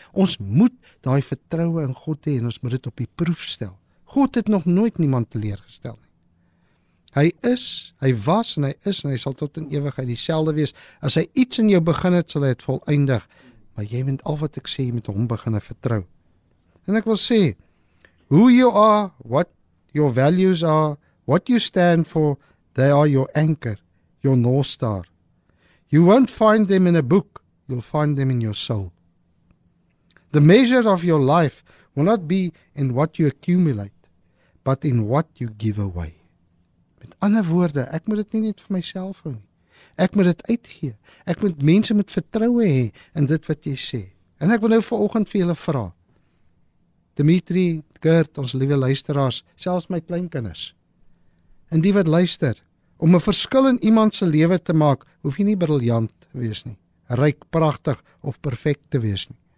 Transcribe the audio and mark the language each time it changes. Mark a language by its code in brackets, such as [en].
[af] Ons moet daai vertroue in God hê en ons moet dit op die proef stel. God het nog nooit niemand teleurgestel nie. Hy is, hy was en hy is en hy sal tot in ewigheid dieselfde wees. As hy iets in jou begin het, sal hy het volëindig. Maar jy moet al wat ek sê, jy moet hom begin vertrou. En ek wil sê, [en] who you are, what your values are, what you stand for, they are your anchor, your North Star. You won't find them in a book, you'll find them in your soul. The measure of your life will not be in what you accumulate, but in what you give away. [af] Met ander woorde, ek moet dit nie net vir myself hou nie. Ek moet dit uitgee. Ek moet mense met vertroue hê in dit wat jy sê. En ek wil nou vanoggend vir julle vra. Dimitri, Kurt, ons liewe luisteraars, selfs my kleinkinders. En die wat luister, om 'n verskil in iemand se lewe te maak, hoef jy nie briljant te wees nie, ryk, pragtig of perfek te wees nie.